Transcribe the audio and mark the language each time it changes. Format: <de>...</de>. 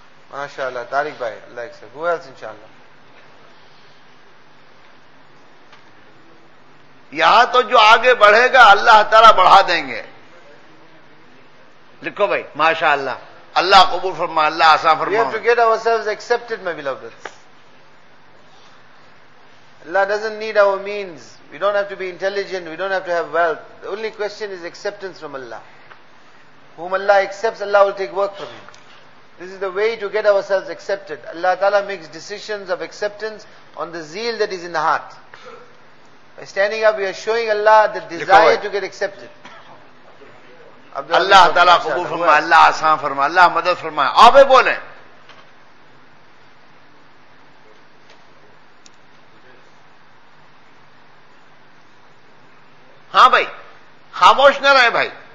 <ur>ماشاء اللہ. طارق بھائی اللہ ایک سر, ہو ایسے ان شاء اللہ. یہاں تو جو آگے بڑھے گا اللہ تعالیٰ بڑھا دیں گے. لکھو بھائی ماشاء اللہ, اللہ قبول فرما, اللہ آسان فرما.</ur> <en>We have to get ourselves accepted, my beloveds. Allah doesn't need our means. We don't have to be intelligent. We don't have to have wealth. The only question is acceptance from Allah. Whom Allah accepts, Allah will take work from him. This is the way to get ourselves accepted. Allah Ta'ala makes decisions of acceptance on the zeal that is in the heart. By standing up, we are showing Allah the desire to get accepted.</en> <ur>اللہ تعالیٰ قبول فرما, اللہ آسان فرما, اللہ مدد فرمائے. آپ بھی بولیں, ہاں بھائی خاموش نہ رہے بھائی.</ur>